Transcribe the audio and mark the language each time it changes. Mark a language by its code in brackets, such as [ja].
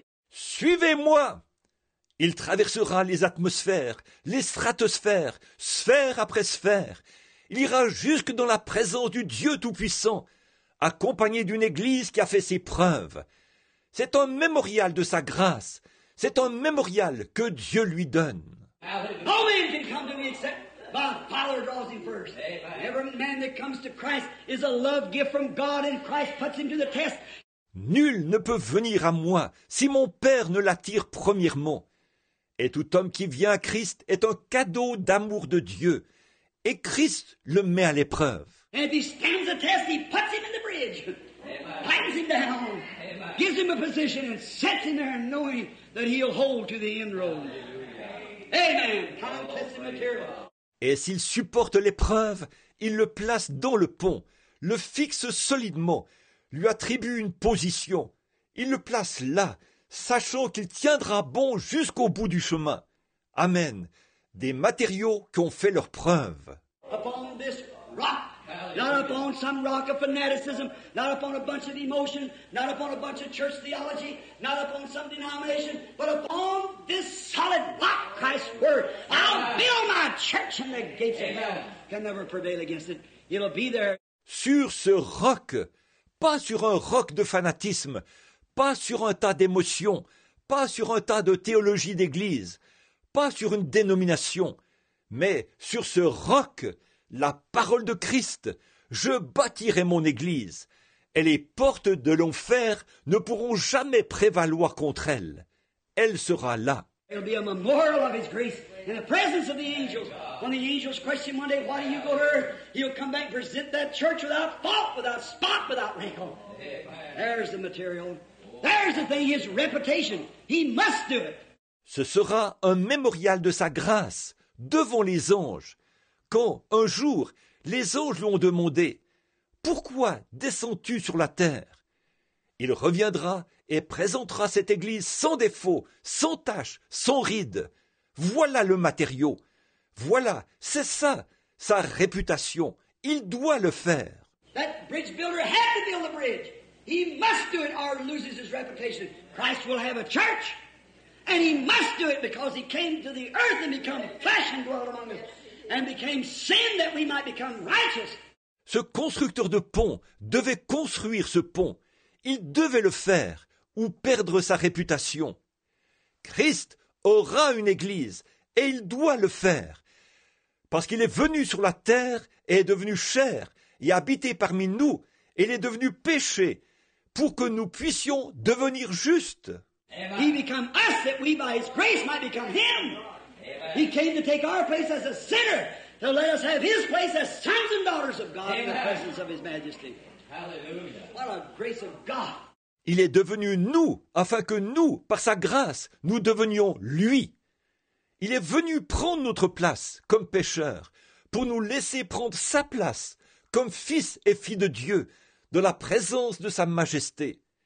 [fr] Suivez-moi. Il traversera les atmosphères, les stratosphères, sphère après sphère. Il ira jusque dans la présence du Dieu Tout-Puissant, accompagné d'une église qui a fait ses preuves. C'est un mémorial de sa grâce. C'est un mémorial que Dieu lui donne. [en] No man can come to me except my Father draws him first. Every man that comes to Christ is a love gift from God, and Christ puts him to the test. [fr] Nul ne peut venir à moi si mon Père ne l'attire premièrement. Et tout homme qui vient à Christ est un cadeau d'amour de Dieu. Et Christ le met à l'épreuve. [en] And if he stands the test, he puts him in the bridge. Tightens him down. Amen. Gives him a position and sets him there knowing that he'll hold to the end road. Amen. Time-tested material. [fr] Et s'il supporte l'épreuve, il le place dans le pont, le fixe solidement, lui attribue une position. Il le place là, sachant qu'il tiendra bon jusqu'au bout du chemin. Amen. Des matériaux qui ont fait leur preuve. [en] Upon this rock, not upon some rock of fanaticism, not upon a bunch of emotion, not upon a bunch of church theology, not upon some denomination, but upon this solid rock, Christ's word, I'll build my church and the gates of hell can never prevail against it. It'll be there. [fr] Sur ce roc, pas sur un roc de fanatisme, pas sur un tas d'émotions, pas sur un tas de théologie d'église, pas sur une dénomination, mais sur ce roc, la parole de Christ, je bâtirai mon église, et les portes de l'enfer ne pourront jamais prévaloir contre elle. Elle sera là. [en] It'll be a memorial of his grace in the presence of the angels. When the angels question one day, why do you go to earth? He'll come back and present that church without fault, without spot, without wrinkle. There's the material. There's the thing, his reputation. He must do it. [fr] Ce sera un mémorial de sa grâce devant les anges. Quand, un jour, les anges lui ont demandé, « Pourquoi descends-tu sur la terre ?» Il reviendra et présentera cette église sans défaut, sans tache, sans ride. Voilà le matériau. Voilà, c'est ça, sa réputation. Il doit le faire. [en] That bridge builder had to build the bridge. He must do it or loses his reputation. Christ will have a church. And he must do it because he came to the earth and become flesh and dwelt among us and became sin that we might become righteous. [fr] Ce constructeur de pont devait construire ce pont. Il devait le faire ou perdre sa réputation. Christ aura une église et il doit le faire. Parce qu'il est venu sur la terre et est devenu chair et habité parmi nous, il est devenu péché pour que nous puissions devenir justes. [en] He became us that we by his grace might become him. He came to take our place as a sinner, to let us have his place as sons and daughters of God in the presence of his majesty. Hallelujah. What a grace of God. [fr] Il est devenu nous, afin que nous, par sa grâce, nous devenions lui. Il est venu prendre notre place comme pécheur, pour nous laisser prendre sa place comme fils et fille de Dieu, dans la présence de sa majesté.